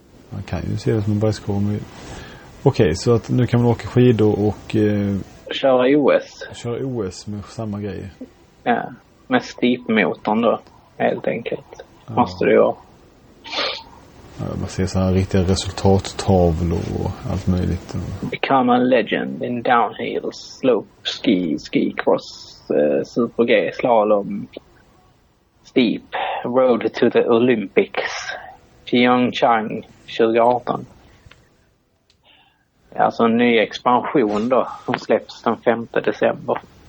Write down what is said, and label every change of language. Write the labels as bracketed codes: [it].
[sv] Man kan ju se det som en bajskorv. Okej, okay, så att nu kan man åka skidor och... köra OS. Köra OS med samma grej. Ja, med steepmotorn då. Helt enkelt. Ja. Måste det ju vara. Man ser så här riktiga resultattavlor och allt möjligt. [en] Become a legend in downhill, slope, ski, ski cross, super G, slalom, steep, road to the Olympics, Pyeongchang 2018. [sv] Det är alltså en ny expansion då, som släpps den 5 december.